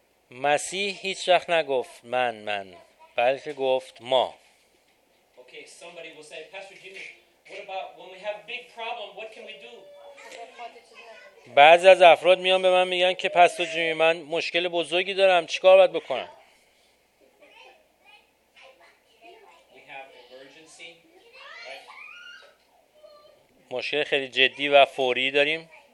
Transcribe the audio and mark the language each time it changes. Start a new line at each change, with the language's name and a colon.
Persian: مسیح هیچ وقت نگفت من، بلکه گفت ما.
English: Okay, somebody will say, Pastor Jimmy, what about when we have a big problem, what can we do?
Persian: بعضی از افراد میان به من میگن که پاستور جیمی من مشکل بزرگی دارم، چیکار باید بکنم؟
English: We have emergency, right?
Persian: مشکل خیلی جدی و فوری داریم.